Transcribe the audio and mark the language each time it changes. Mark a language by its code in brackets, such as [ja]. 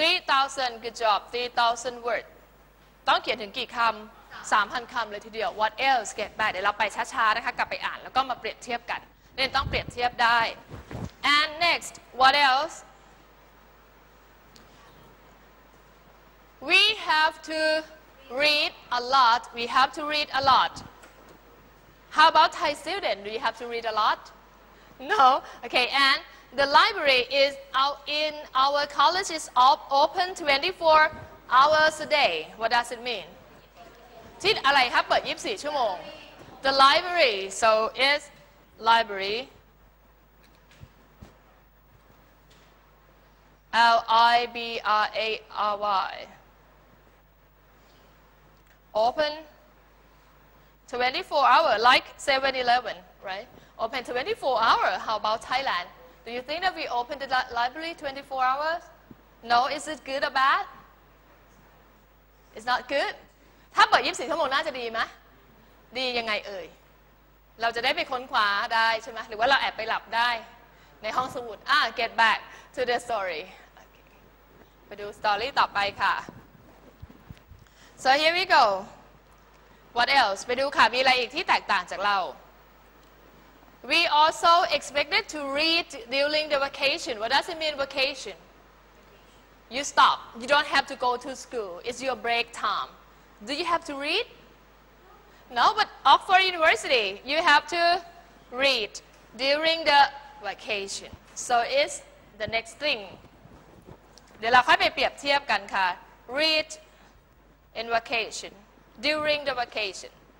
[en] 3,000 good job 3,000 word [th] ต้องเขียนถึงกี่คำ 3,000 คำเลยทีเดียว [en] what else get back [th] เดี๋ยวเราไปช้าๆนะคะกลับไปอ่านแล้วก็มาเปรียบเทียบกันเรียนต้องเปรียบเทียบได้ [en] and next what elseWe have to read a lot. We have to read a lot. How about Thai student? Do you have to read a lot? No. Okay. And the library is out in our college is open 24 hours a day. What does it mean? [th] ที่อะไรครับเปิด24ชั่วโมง [en] The library. So is library. L-I-B-R-A-R-Y. Open 24 hour, like 7-Eleven, right? Open 24 hour. How about Thailand? Do you think that we open the library 24 hours? No. Is it good or bad? It's not good. [th] ถ้าเปิด24ชั่วโมงน่าจะดีไหมดียังไงเอ่ยเราจะได้ไปค้นคว้าได้ใช่ไหมหรือว่าเราแอบไปหลับได้ในห้องสมุด [en] get back to the story. Okay. [th] ไปดูสตอรี่ต่อไปค่ะ [en] So here we go. What else? [th] ไปดูค่ะมีอะไรอีกที่แตกต่างจากเรา [en] We also expected to read during the vacation. What does it mean vacation? You stop. You don't have to go to school. It's your break time. Do you have to read? No, but Oxford University, you have to read during the vacation. So it's the next thing. [th] เดี๋ยวเราค่อยไปเปรียบเทียบกันค่ะ [en] ReadIn vacation, during the vacation.